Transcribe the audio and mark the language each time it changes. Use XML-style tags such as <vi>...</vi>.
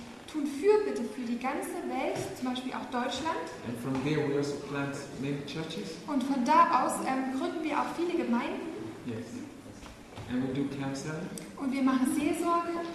<de>Wir tun Fürbitte für die ganze Welt, zum Beispiel auch Deutschland.</de> <en>And from there we also plant many churches.</en> <de>Und von da aus gründen wir auch viele Gemeinden.</de> <en>Yes. And we do counseling.</en> <de>Und wir machen Seelsorge.</de>